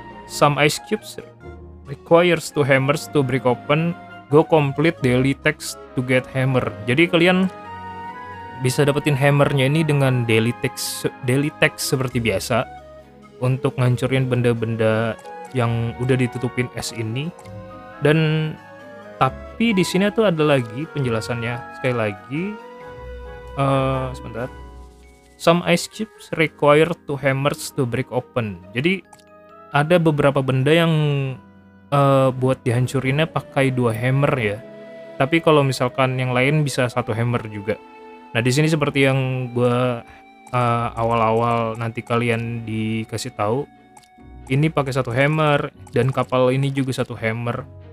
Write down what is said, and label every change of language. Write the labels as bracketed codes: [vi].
[en] Some ice cubes requires two hammers to break open. Go complete daily text to get hammer. [id] Jadi kalian bisa dapetin hammernya ini dengan daily text seperti biasa untuk ngancurin benda-benda yang udah ditutupin es ini. Dan tapi di sini tuh ada lagi penjelasannya. Sekali lagi, sebentar. [en] Some ice cubes require two hammers to break open. [id] Jadi ada beberapa benda yang buat dihancurinnya pakai dua hammer ya. Tapi kalau misalkan yang lain bisa satu hammer juga. Nah, di sini seperti yang gua awal-awal nanti kalian dikasih tahu, ini pakai satu hammer dan kapal ini juga satu hammer.